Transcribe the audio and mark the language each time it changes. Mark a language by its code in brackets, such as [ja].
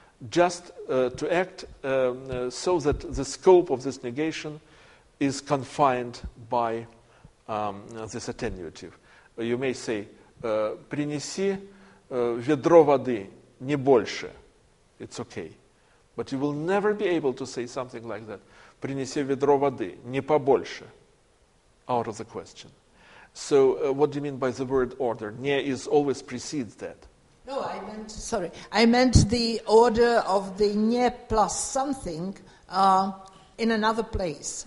[en] just to act so that the scope of this negation is confined by this attenuative. You may say, [ru] принеси ведро воды, не больше. [en] It's okay. But you will never be able to say something like that. [ru] Принеси ведро воды, не побольше. [en] Out of the question. So what do you mean by the word order? Не is always precedes that. No, I meant, sorry. I meant the order of the не plus something in another place.